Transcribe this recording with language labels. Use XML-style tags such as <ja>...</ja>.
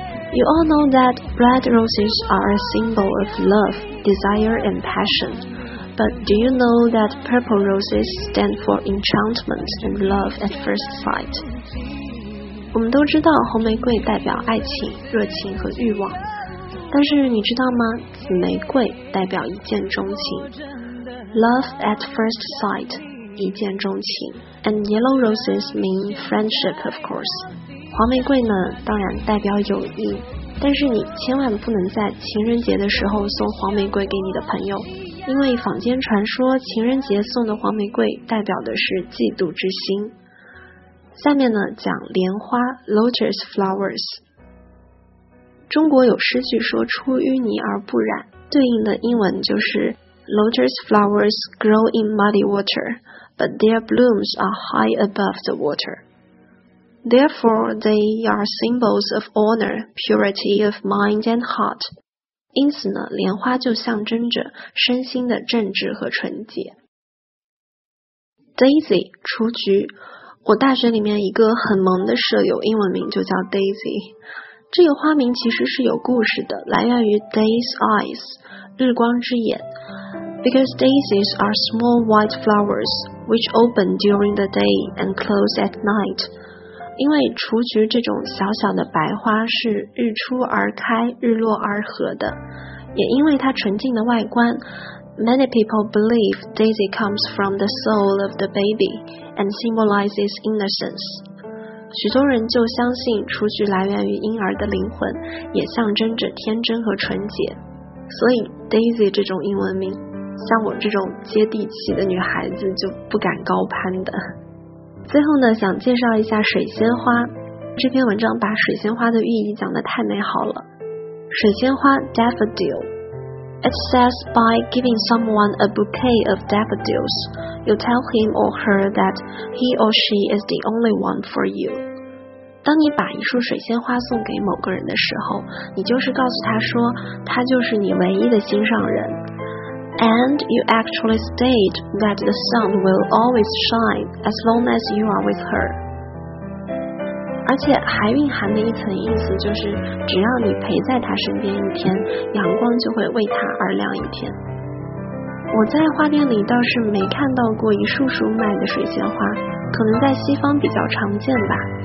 <en>You all know that red roses are a symbol of love, desire and passion. But do you know that purple roses stand for enchantment and love at first sight?</en> <zh>我们都知道红玫瑰代表爱情、热情和欲望，但是你知道吗？紫玫瑰代表一见钟情，</zh> <en>Love at first sight,</en> <zh>一见钟情。</zh> <en>And yellow roses mean friendship, of course.</en> <zh>黄玫瑰呢，当然代表友谊，但是你千万不能在情人节的时候送黄玫瑰给你的朋友，因为坊间传说情人节送的黄玫瑰代表的是嫉妒之心。下面呢讲莲花，</zh> <en>Lotus flowers。中国有诗句说，出淤泥而不染，对应的英文就是 Lotus flowers grow in muddy water, but their blooms are high above the water. Therefore, they are symbols of honor, purity of mind and heart.</en> <zh>因此呢，莲花就象征着身心的正直和纯洁。 Daisy, 雏菊。我大学里面一个很萌的舍友，英文名就叫 Daisy。这个花名其实是有故事的，来源于 Day's Eyes, 日光之眼。</zh> <en>Because daisies are small white flowers which open during the day and close at night.</en> <zh>因为雏菊这种小小的白花是日出而开，日落而合的，也因为它纯净的外观，</zh> <en>Many people believe Daisy comes from the soul of the baby and symbolizes innocence.</en> <zh>许多人就相信雏菊来源于婴儿的灵魂，也象征着天真和纯洁。所以 Daisy 这种英文名，像我这种接地气的女孩子就不敢高攀的。最后呢，想介绍一下水仙花。这篇文章把水仙花的寓意讲得太美好了。水仙花 Daffodil。</zh> <en>It says, by giving someone a bouquet of daffodils, you tell him or her that he or she is the only one for you.</en> <zh>当你把一束水仙花送给某个人的时候，你就是告诉他说，他就是你唯一的心上人。</zh> <en>And you actually state that the sun will always shine as long as you are with her.</en> <zh>而且还蕴含的一层意思就是，只要你陪在她身边一天，阳光就会为她而亮一天。我在花店里倒是没看到过一束束卖的水仙花，可能在西方比较常见吧。</zh>